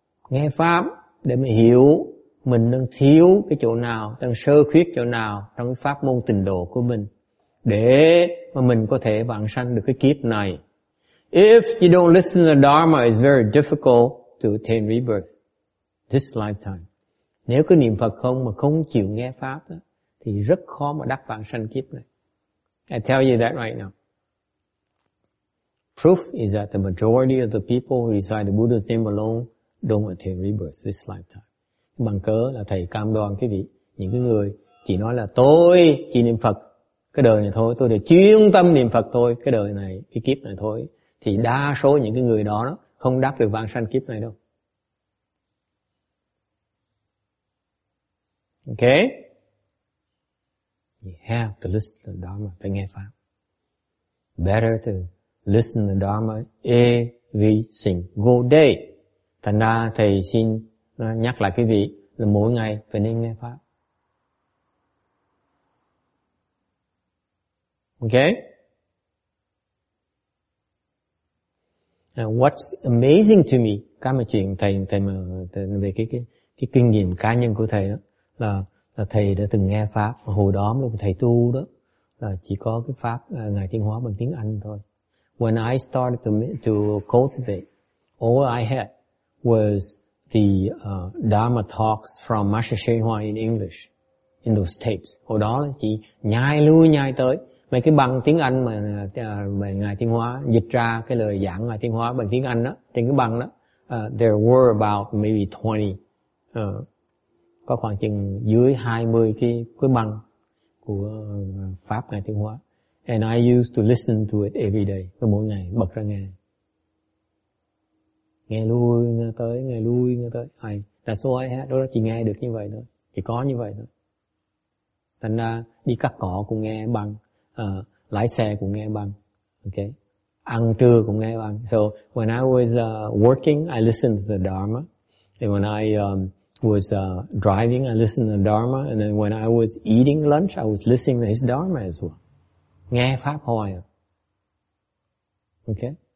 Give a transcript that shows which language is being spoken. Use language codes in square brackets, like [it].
[vi] Nghe Pháp để mình hiểu mình đang thiếu cái chỗ nào, đang sơ khuyết chỗ nào trong cái pháp môn tịnh độ của mình để mà mình có thể vãng sanh được cái kiếp này. [en] If you don't listen to the Dharma, it's very difficult to attain rebirth this lifetime. [vi] Nếu cứ niệm Phật không mà không chịu nghe Pháp đó, thì rất khó mà đắc vãng sanh kiếp này. [en] I tell you that right now. Proof is that the majority of the people who recite the Buddha's name alone don't attain rebirth this lifetime. [vi] Bằng cớ là thầy cam đoan quý vị, những cái người chỉ nói là tôi chỉ niệm Phật cái đời này thôi, tôi để chuyên tâm niệm Phật thôi, cái đời này, cái kiếp này thôi, thì đa số những cái người đó không đắc được vãng sanh kiếp này đâu. [en] Ok? You have to listen to the Dharma, [vi] phải nghe Pháp. [en] Better to listen to the Dharma every single day. [vi] Thành ra thầy xin nhắc lại quý vị là mỗi ngày phải nên nghe Pháp. [en] Ok? Now, what's amazing to me, [vi] cái mà chuyện thầy mà về cái kinh nghiệm cá nhân của thầy đó, là thầy đã từng nghe Pháp hồi đó lúc thầy tu đó, là chỉ có cái Pháp Ngài Tiên Hóa bằng tiếng Anh thôi. [en] When I started to cultivate, all I had was the Dharma talks from Master Shen Huang in English, in those tapes. [vi] Hồi đó là chỉ nhai lui nhai tới mấy cái băng tiếng Anh mà Ngài Tiên Hóa dịch ra cái lời giảng Ngài Tiên Hóa bằng tiếng Anh đó, trên cái băng đó, [en] there were about maybe 20, [vi] có khoảng chừng dưới 20 cái băng của Pháp Ngài Tiên Hóa. [en] And I used to listen to it every day, [vi] cứ mỗi ngày bật ra nghe. Nghe lui, nghe tới, nghe lui, nghe tới. Ai, [en] that's all I had, [vi] đó là chỉ nghe được như vậy thôi, chỉ có như vậy thôi. Thành ra đi cắt cỏ cũng nghe băng, lái xe cũng nghe băng, ok, ăn trưa cũng nghe băng. [en] So when I was working, I listened to the Dharma. And when I was driving, I listened to the Dharma. And then when I was eating lunch, I was listening to his Dharma as well. [vi] Nghe Pháp hoài. [en] Ok.